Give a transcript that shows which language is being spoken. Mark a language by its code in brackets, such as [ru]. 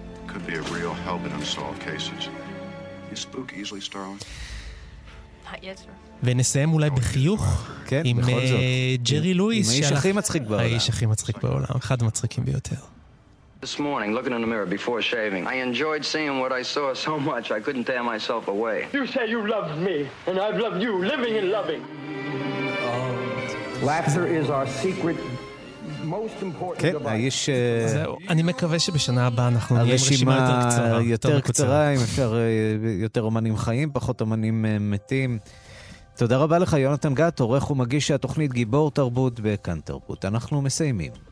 [en] could be a real help in unsolved cases. You spook easily, Starling? [he] ונסיים אולי בחיוך עם ג'רי לואיס, האיש הכי מצחיק בעולם, אחד המצחיקים ביותר. [en] This morning, looking in the mirror before shaving, I enjoyed seeing what I saw so much I couldn't tear myself away. You say you loved me, and I've loved you, living and loving. Laughter is our secret most important device. [he] אני מקווה שבשנה הבאה אנחנו נהיה עם רשימה יותר קצרה. יותר קצרה, יותר אומנים חיים, פחות אומנים מתים. תודה רבה לך, יונתן גת, עורך ומגיש התוכנית גיבור תרבות בכאן תרבות. אנחנו מסיימים.